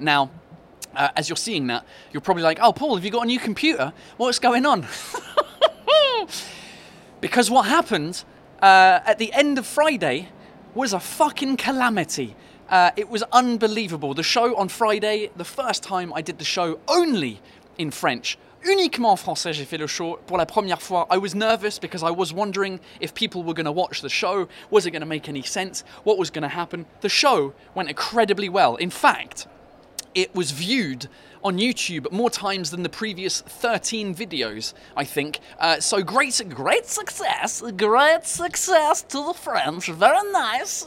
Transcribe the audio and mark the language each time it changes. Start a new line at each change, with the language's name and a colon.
English: Now, as you're seeing that, you're probably like, oh, Paul, have you got a new computer? What's going on? Because what happened at the end of Friday was a fucking calamity. It was unbelievable. The show on Friday, the first time I did the show only in French.
French: Uniquement en français, j'ai fait le show pour la première fois.
English: I was nervous because I was wondering if people were going to watch the show. Was it going to make any sense? What was going to happen? The show went incredibly well. In fact, it was viewed on YouTube more times than the previous 13 videos, I think. So great success to the French. Very nice.